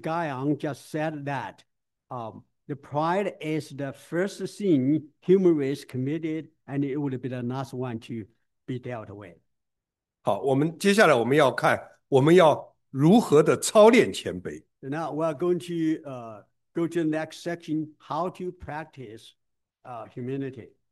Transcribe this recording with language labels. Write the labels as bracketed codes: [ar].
[en] Guyon just said that the pride is the first sin human race committed, and it would be the last one to be dealt with. [zh] 好，我们接下来我们要看，我们要如何的操练谦卑。 [en] Now we are going to go to the next section, how to practice humility.